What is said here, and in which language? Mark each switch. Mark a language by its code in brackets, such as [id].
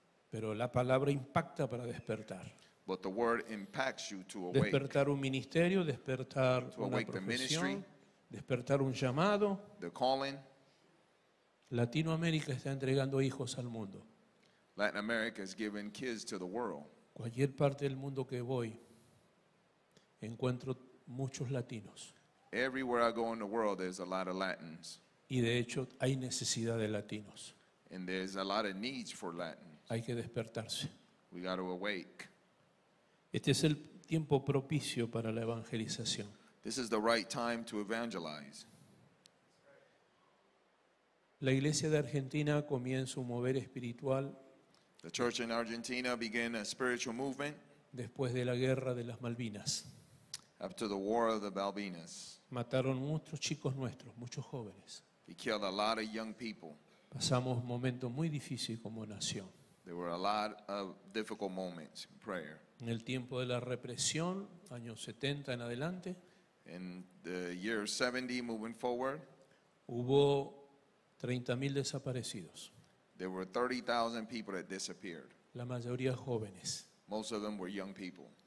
[es] Pero la palabra impacta para despertar. [en] But the word impacts you to awake. [es] Despertar un ministerio, despertar [en] to awake [es] una profesión, [en] the ministry, [es] despertar un llamado. [en] The calling. [es] Latinoamérica está entregando hijos al mundo. [en] Latin America is giving kids to the world. [es] Cualquier parte del mundo que voy, encuentro muchos latinos. [en] Everywhere I go in the world, there's a lot of Latins. [es] Y de hecho, hay necesidad de latinos. [en] And there's a lot of needs for Latins. [es] Hay que despertarse. [en] We got to awake. [es] Este es el tiempo propicio para la evangelización. [en] This is the right time to evangelize. [es] La iglesia de Argentina comienza un mover espiritual [en] The church in Argentina began a spiritual movement. [es] Después de la guerra de las Malvinas. [en] After the war of the Malvinas. [es] Mataron muchos chicos nuestros, muchos jóvenes. [en] They killed a lot of young people. [es] Pasamos un momento muy difícil como nación. [en] There were a lot of difficult moments in prayer. [es] En el tiempo de la represión, años 70 en adelante. [en] In the year 70 moving forward. [es] Hubo 30,000 desaparecidos. [en] There were 30,000 people that disappeared. [es] La mayoría jóvenes. [en] Most of them were young people.